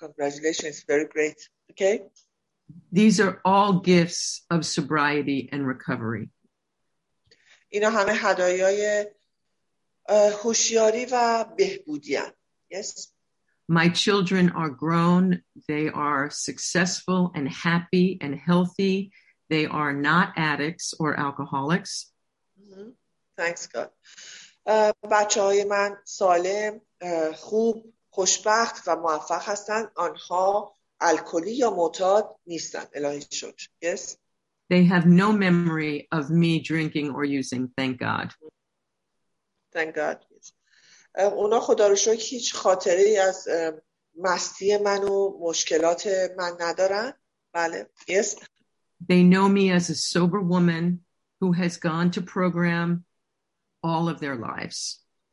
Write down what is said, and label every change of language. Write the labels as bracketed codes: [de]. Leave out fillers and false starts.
[en] Congratulations, very great. Okay. These are all gifts of sobriety and recovery. [fa] اینا همه هدایای هوشیاری و بهبودی هم. [en] Yes. My children are grown. They are successful and happy and healthy. They are not addicts or alcoholics. Thanks God. [fa] بچه های من سالم، خوب، خوشبخت و موفق هستند. آنها الکلی یا معتاد نیستند. الهی شکر. [en] Yes. They have no memory of me drinking or using. Thank God. Thank God. [fa] اونا خدا رو شکر هیچ خاطره ای از مستی من و مشکلات من ندارن. بله. [en] Yes. They know me as a sober woman who has gone to program all of their lives.